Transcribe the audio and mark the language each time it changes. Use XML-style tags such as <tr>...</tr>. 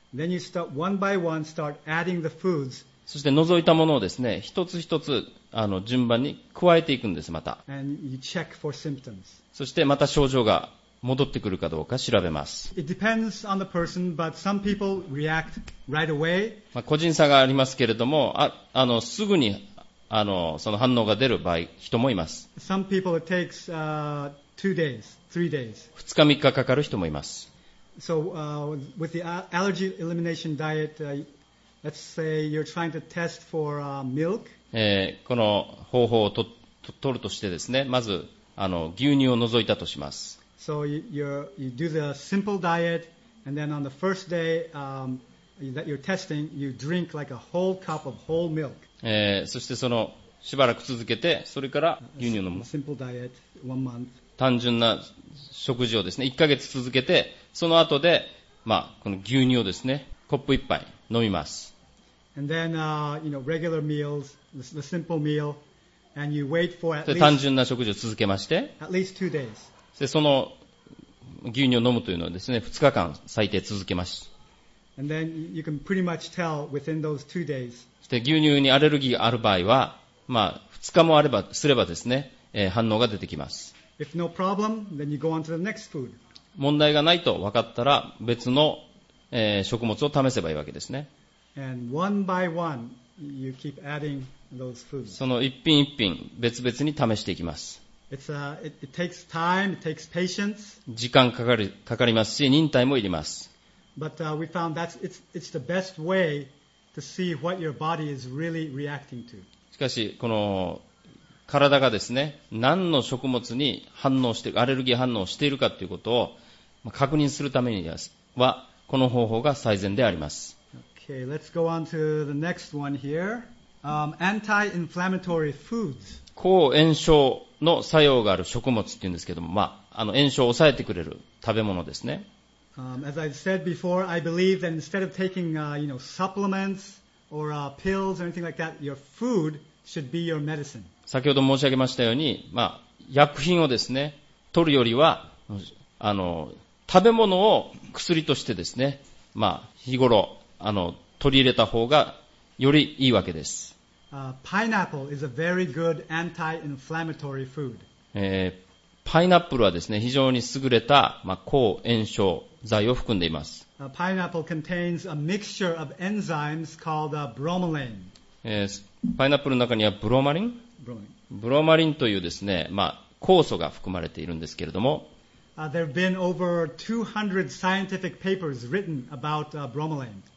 <en>then you start one by one, start adding the foods.</en> <ja>そして除いたものをですね、一つ一つ順番に加えていくんです、また。</ja> <en>And you check for symptoms.</en> <ja>そしてまた症状が戻ってくるかどうか調べます。</ja> <en>It depends on the person, but some people react right away.</en> <ja>まあ、個人差がありますけれども、すぐにその反応が出る場合、人もいます。</ja> <en>Some people it takes, two days, three days.</en> <ja>2日3日かかる人もいます。</ja> <en>So, with the allergy elimination diet, let's say you're trying to test for, milk.</en> <ja>この方法を取るとしてですね、まず、牛乳を除いたとします。</ja> <en>So, you do the simple diet, and then on the first day, that you're testing, you drink like a whole cup of whole milk.</en> <ja>そしてその、しばらく続けて、それから牛乳を飲む。</ja> <en>Simple diet, one month.</en> <ja>単純な食事をですね、1ヶ月続けて、その後で、まあ、この牛乳をですね、コップ一杯飲みます。</ja> <en>And then, you know, regular meals, the simple meal, and you wait for at least,</en> <ja>単純な食事を続けまして、</ja> <en>at least two days.</en> <ja>で、その牛乳を飲むというのはですね、2日間最低続けます。</ja> <en>And then you can pretty much tell within those two days.</en> <ja>そして牛乳にアレルギーがある場合は、まあ、2日もあればすればですね、反応が出てきます。</ja> <en>If no problem, then you go on to the next food.</en> <ja>問題がないと分かったら別の、食物を試せばいいわけですね。</ja> <en>And one by one, you keep adding those foods.</en> <ja>その一品一品別々に試していきます。</ja> <en>It's a, it takes time, it takes patience.</en> <ja>時間かかりますし、忍耐もいります。</ja> <en>But, we found that it's the best way to see what your body is really reacting to.</en> <ja>しかし、この体がですね、何の食物に反応して、アレルギー反応しているかということを確認するためには、この方法が最善であります。</ja> <en>Okay, let's go on to the next one here. Anti-inflammatory foods.</en> <ja>抗炎症の作用がある食物っていうんですけども、まあ、炎症を抑えてくれる食べ物ですね。</ja> <en>As I've said before, I believe that instead of taking, you know, supplements or, pills or anything like that, your food should be your medicine.</en> <ja>先ほど申し上げましたように、まあ、薬品をですね、取るよりは、食べ物を薬としてですね、まあ、日頃、取り入れた方がよりいいわけです。</ja> <en>Pineapple is a very good anti-inflammatory food.</en> <ja>パイナップルはですね、非常に優れた、まあ、抗炎症剤を含んでいます。</ja> <en>Pineapple contains a mixture of enzymes called, bromelain.</en> <ja>パイナップルの中にはブロマリンというですね、まあ、酵素が含まれているんですけれども、</ja> <en>there have been over 200 scientific papers written about bromelain.</en>